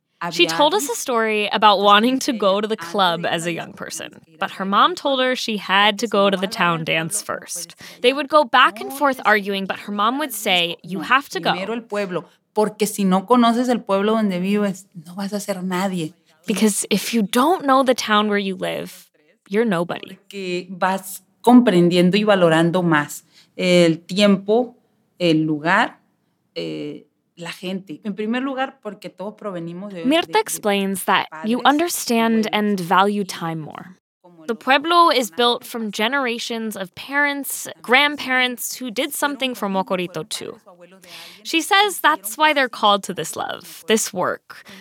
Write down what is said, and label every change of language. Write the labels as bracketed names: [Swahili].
[English] She told us a story about wanting to go to the club as a young person, but her mom told her she had to go to the town dance first. They would go back and forth arguing, but her mom would say, "You have to go. [Spanish] Porque si no conoces el pueblo donde vives, no vas a ser nadie." [English] Because if you don't know the town where you live, you're nobody. [Spanish] Porque vas comprendiendo y valorando más el tiempo, el lugar, la gente. En primer lugar, porque todos provenimos de... [English] Mirta explains that you understand and value time more. The pueblo is built from generations of parents, grandparents who did something for Mocorito too. She says that's why they're called to this love, this work.